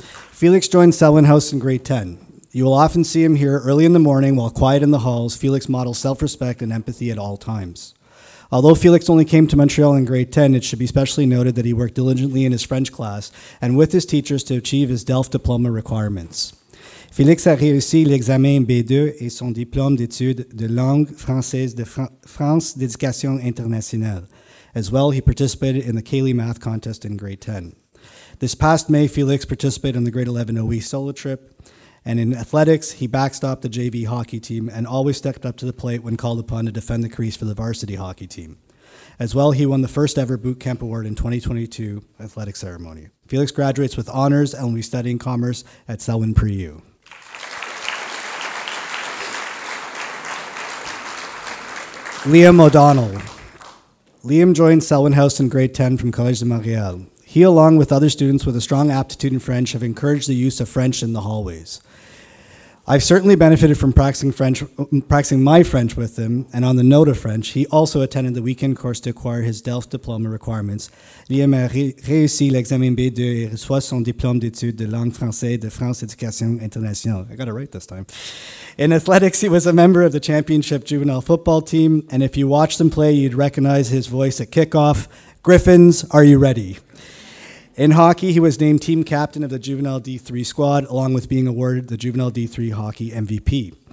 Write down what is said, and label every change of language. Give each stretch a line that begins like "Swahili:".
English: Felix joined Selwyn House in grade 10. You will often see him here early in the morning while quiet in the halls. Felix models self-respect and empathy at all times. Although Felix only came to Montreal in grade 10, it should be specially noted that he worked diligently in his French class and with his teachers to achieve his DELF diploma requirements.
French: Felix a réussi l'examen B2 et son diplôme d'études de langue française de France d'éducation internationale.
English: As well, he participated in the Cayley Math Contest in grade 10. This past May, Felix participated in the grade 11 OE solo trip, and in athletics, he backstopped the JV hockey team and always stepped up to the plate when called upon to defend the crease for the varsity hockey team. As well, he won the first ever boot camp award in 2022 athletic ceremony. Felix graduates with honors and will be studying commerce at Selwyn Pre-U. Liam O'Donnell. Liam joined Selwyn House in grade 10 from Collège de Montréal. He, along with other students with a strong aptitude in French, have encouraged the use of French in the hallways. I've certainly benefited from practicing my French with him, and on the note of French, he also attended the weekend course to acquire his DELF diploma requirements.
French: Liam a réussi l'examen B2 et reçoit son diplôme d'études de langue française de France éducation internationale.
English: I got it right this time. In athletics, he was a member of the championship juvenile football team, and if you watched him play, you'd recognize his voice at kickoff. Griffins, are you ready? In hockey, he was named team captain of the Juvenile D3 squad, along with being awarded the Juvenile D3 Hockey MVP.